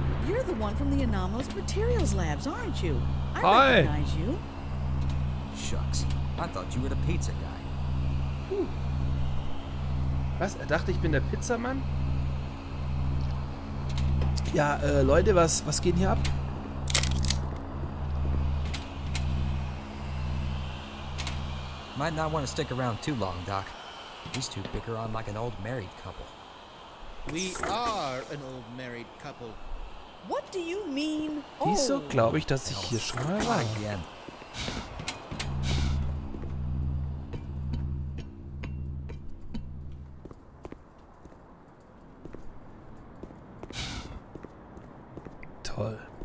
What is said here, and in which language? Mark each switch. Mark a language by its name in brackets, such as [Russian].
[English] You're the one from the Anomalous Materials Labs, aren't you? Hi. Recognize you. Shucks. I thought you were the pizza guy. [German] Puh. Was? Er dachte, ich bin der Pizzamann? Ja, Leute, was geht hier ab? [English] Might not want to stick around too long, Doc. These two bicker on like an old married couple. We are an old married couple. What do you mean? [German] Wieso glaube ich, dass ich hier schon mal war? Toll.